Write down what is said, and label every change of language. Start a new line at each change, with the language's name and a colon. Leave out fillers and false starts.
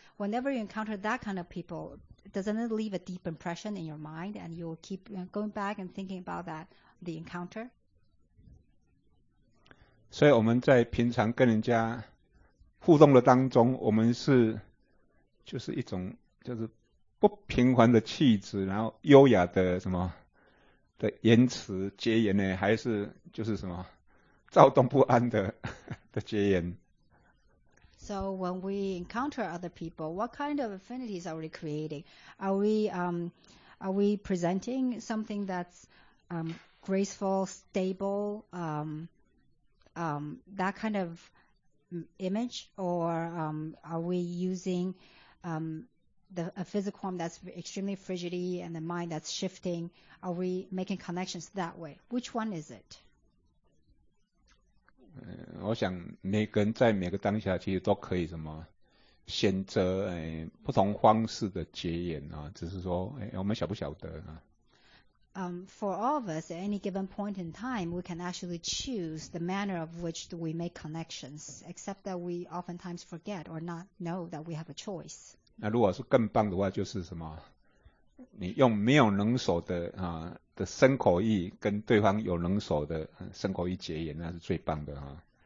English: Whenever you encounter that kind of people, doesn't it leave a deep impression in your mind, and you will keep going back and thinking about that, the encounter?
Chinese: 所以我们在平常跟人家互动的当中，我们是就是一种就是不平凡的气质，然后优雅的什么的言辞结言呢，还是就是什么躁动不安的结缘。
English: So when we encounter other people, what kind of affinities are we creating? Are we presenting something that's graceful, stable, that kind of image, or are we using a physical form that's extremely frigidy and the mind that's shifting? Are we making connections that way? Which one is it?
Chinese: 我想每个人在每个当下其实都可以什么选择不同方式的结缘啊，只是说我们晓不晓得啊。
English: For all of us, at any given point in time, we can actually choose the manner of which we make connections, except that we oftentimes forget or not know that we have a choice.
Chinese: 那如果是更棒的话，就是什么，你用没有能手的身口意跟对方有能手的身口意结缘，那是最棒的啊。